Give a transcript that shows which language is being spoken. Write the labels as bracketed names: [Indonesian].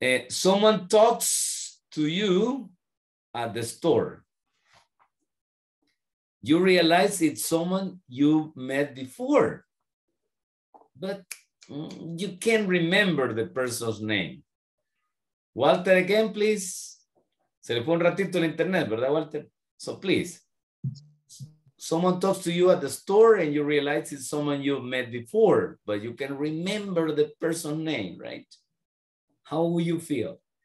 [English] Someone talks to you at the store. You realize it's someone you met before, but you can't remember the person's name. Walter, again, please. [Spanish] Se le fue un ratito el internet, ¿verdad, Walter? [English] So please, someone talks to you at the store and you realize it's someone you've met before, but you can remember the person's name, right? How will you feel?